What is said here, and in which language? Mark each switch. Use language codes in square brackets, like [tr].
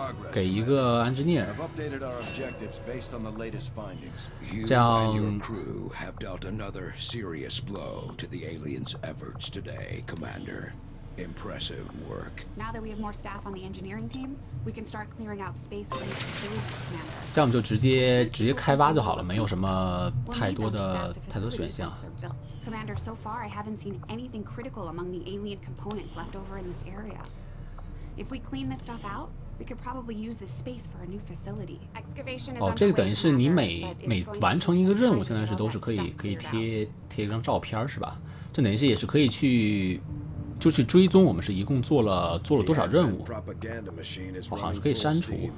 [zh] 给一个 engineer， 这样。 [en] You and your crew have dealt another serious blow to the aliens' efforts today, Commander. Impressive work. Now that we have more staff on the engineering team, we can start clearing out space for the facility commander. [zh] 这样我们就直接开发就好了，没有什么太多选项。 [en] Commander, so far I haven't seen anything critical among the alien components left over in this area. If we clean this stuff out, we could probably use this space for a new facility. Excavation is underway. [zh] 哦，这个等于是你每完成一个任务，现在是都是可以贴一张照片是吧？这等于是也是可以去。就去追踪我们是一共做了多少任务，我好像是可以删除。